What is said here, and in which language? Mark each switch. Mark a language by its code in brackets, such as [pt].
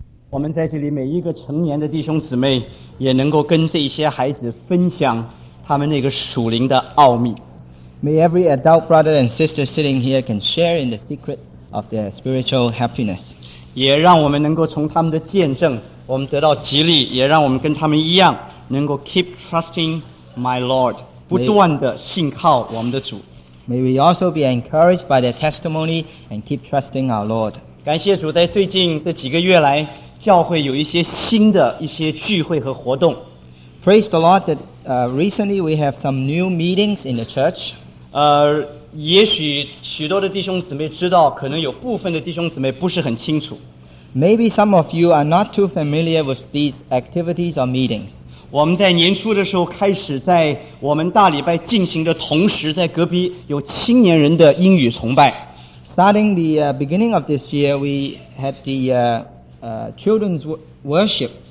[zh] 我们在这里每一个成年的弟兄姊妹也能够跟这些孩子分享他们那个属灵的奥秘。 [en] May every adult brother and sister sitting here can share in the secret of their spiritual happiness. [zh] 也让我们能够从他们的见证我们得到激励，也让我们跟他们一样能够 [en] keep trusting my Lord， [zh] 不断地信靠我们的主。 [en] May we also be encouraged by their testimony and keep trusting our Lord. [zh] 感谢主，在最近这几个月来教会有一些新的一些聚会和活动。 [en] Praise the Lord that recently we have some new meetings in the church. [zh] 也许许多的弟兄姊妹知道，可能有部分的弟兄姊妹不是很清楚。 [en] Maybe some of you are not too familiar with these activities or meetings. [zh] 我们在年初的时候开始在我们大礼拜进行的同时，在隔壁有青年人的英语崇拜。 [en] Starting the beginning of this year, we had the children's worship.